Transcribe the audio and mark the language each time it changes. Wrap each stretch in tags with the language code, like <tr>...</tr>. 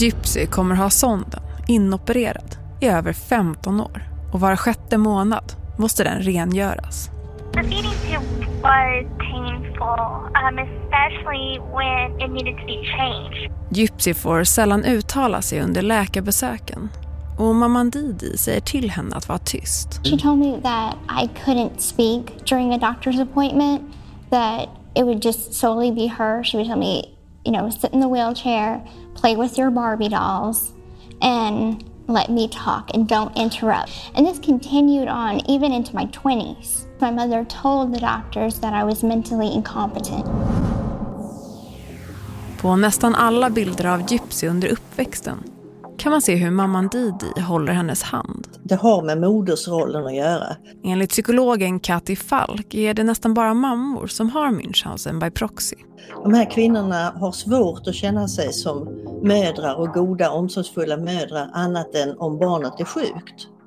<sv>Gypsy kommer ha sonden inopererad i över 15 år och var sjätte månad måste den rengöras.</sv> <en>The feeding tube was painful, especially when it needed to be changed.</en> <sv>Gypsy får sällan uttala sig under läkarbesöken och mamman Didi säger till henne att vara tyst.</sv> <en>She told me that I couldn't speak during a doctor's appointment, that it would just solely be her. She would tell me, you know, sit in the wheelchair, play with your Barbie dolls, and let me talk and don't interrupt. And this continued on even into my 20s. My mother told the doctors that I was mentally incompetent.</en> <sv>På nästan alla bilder av Gypsy under uppväxten kan man se hur mamman Didi håller hennes hand. Det har med modersrollen att göra. Enligt psykologen Kathy Falk är det nästan bara mammor som har Münchhausen by proxy. De här kvinnorna har svårt att känna sig som mödrar och goda omsorgsfulla mödrar annat än om barnet är sjukt.</sv>